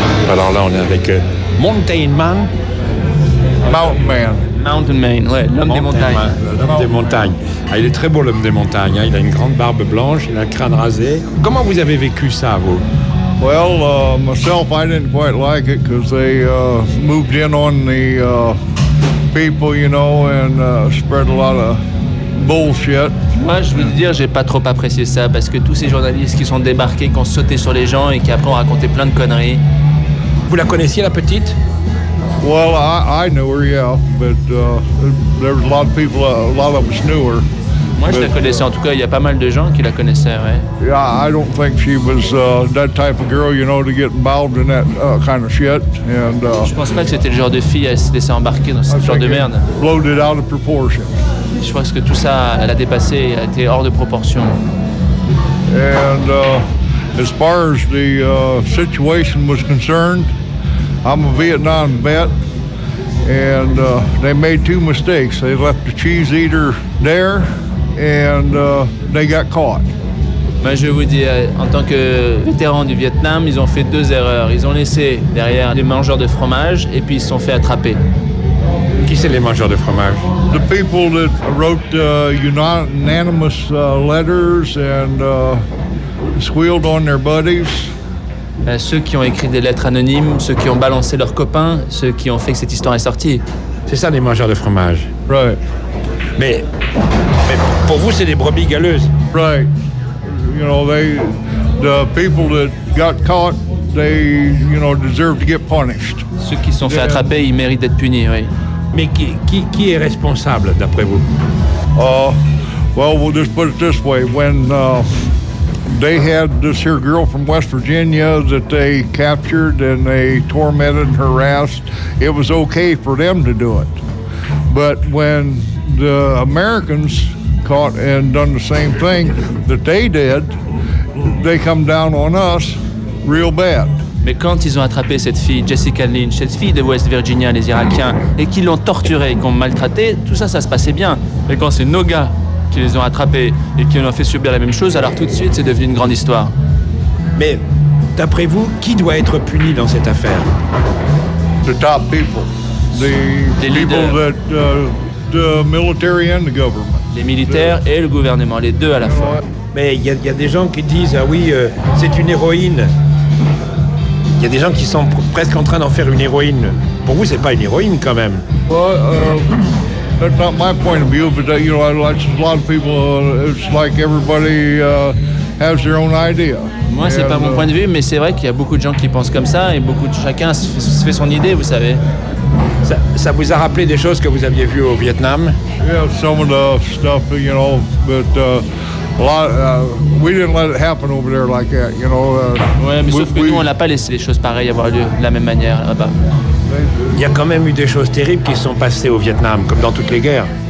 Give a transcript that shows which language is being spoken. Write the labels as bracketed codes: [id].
[fr] Alors là, on est avec [en] Mountain Man. Mountain Man, [fr] l'homme des montagnes. L'homme des montagnes. Ah, il est très beau, l'homme des montagnes. Hein. Il a une grande barbe blanche, il a le crâne rasé. Comment vous avez vécu ça, vous? [en] Well, myself, I didn't quite like it because they moved in on the people, you know, and spread a lot of bullshit. [fr] Moi, je veux dire, j'ai pas trop apprécié ça parce que tous ces journalistes qui sont débarqués, qui ont sauté sur les gens et qui après ont raconté plein de conneries. Vous la connaissiez, la petite? [en] Well, I knew her, yeah, but there was a lot of people, a lot of us knew her. [fr] Moi, je la connaissais. En tout cas, il y a pas mal de gens qui la connaissaient, ouais. [en] Yeah, I don't think she was that type of girl, you know, to get involved in that kind of shit. And [fr] je pense pas que c'était le genre de fille à se laisser embarquer dans ce genre de merde. [en] Blowed out of proportion. [fr] Je pense que tout ça, elle a dépassé, elle a été hors de proportion. [en] And as far as the situation was concerned, I'm a Vietnam vet, and they made two mistakes. They left the cheese eater there. And they got caught. [fr] Ben, je vous dis, en tant que vétéran du Vietnam, ils ont fait deux erreurs. Ils ont laissé derrière les mangeurs de fromage et puis ils se sont fait attraper. Qui c'est les mangeurs de fromage? [en] The people that wrote unanimous letters and squealed on their buddies. [fr] Ben, ceux qui ont écrit des lettres anonymes, ceux qui ont balancé leurs copains, ceux qui ont fait que cette histoire est sortie. C'est ça les mangeurs de fromage. [en] Right. [fr] Mais pour vous, c'est des brebis galeuses. [en] Right. You know, the people that got caught, they, you know, deserve to get punished. [fr] Ceux qui se sont fait attraper, ils méritent d'être punis, oui. Mais qui est responsable, d'après vous? [en] Well, we'll just put it this way. When they had this here girl from West Virginia that they captured and they tormented and harassed, it was okay for them to do it. But when the Americans caught and done the same thing that they did, they come down on us real bad. [fr] Mais quand ils ont attrapé cette fille, Jessica Lynch, cette fille de West Virginia, les Irakiens, et qu'ils l'ont torturée, qu'ils l'ont maltraitée, tout ça, ça se passait bien. Mais quand c'est nos gars qui les ont attrapés et qui ont fait subir la même chose, alors tout de suite, c'est devenu une grande histoire. Mais D'après vous, qui doit être puni dans cette affaire? [en] The top people. [fr] Les militaires et le gouvernement, les deux à la fois. Mais il y a des gens qui disent, ah oui, c'est une héroïne. Il y a des gens qui sont presque en train d'en faire une héroïne. Pour vous, c'est pas une héroïne quand même. [en] That's not my point of view, but you know, like a lot of people, it's like everybody has their own idea. [fr] Moi, c'est pas mon point de vue, mais c'est vrai qu'il y a beaucoup de gens qui pensent comme ça, et beaucoup de chacun se fait son idée, vous savez. Ça vous a rappelé des choses que vous aviez vues au Vietnam? [en] Yeah, some of the stuff, you know, but we didn't let it happen over there like that, you know. [fr] Ouais, mais sauf que nous, on n'a pas laissé les choses pareilles avoir lieu de la même manière là-bas. Il y a quand même eu des choses terribles qui se sont passées au Vietnam, comme dans toutes les guerres.